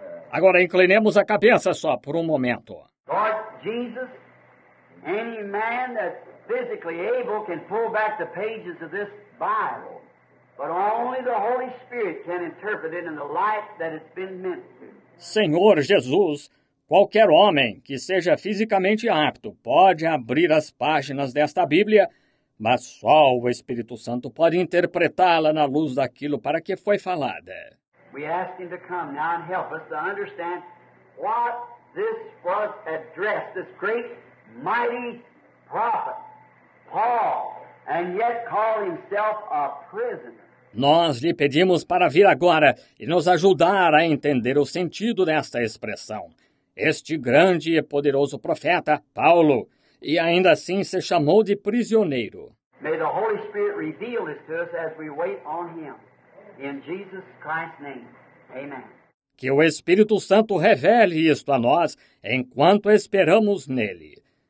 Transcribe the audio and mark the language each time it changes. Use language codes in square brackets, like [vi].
[pt] Agora inclinemos a cabeça só por um momento. [en] Lord Jesus, any man that's physically able can pull back the pages of this Bible, but only the Holy Spirit can interpret it in the light that it's been meant to. [pt] Senhor Jesus, qualquer homem que seja fisicamente apto pode abrir as páginas desta Bíblia, mas só o Espírito Santo pode interpretá-la na luz daquilo para que foi falada. [en] We ask him to come now and help us to understand what this was addressed, this great, mighty prophet, Paul, and yet called himself a prisoner. [pt] Nós lhe pedimos para vir agora e nos ajudar a entender o sentido desta expressão. Este grande e poderoso profeta, Paulo, e ainda assim se chamou de prisioneiro. [en] May the Holy Spirit reveal this to us as we wait on him. In Jesus Christ's name. Amen. [pt] Que o Espírito Santo revele isto a nós enquanto esperamos nele.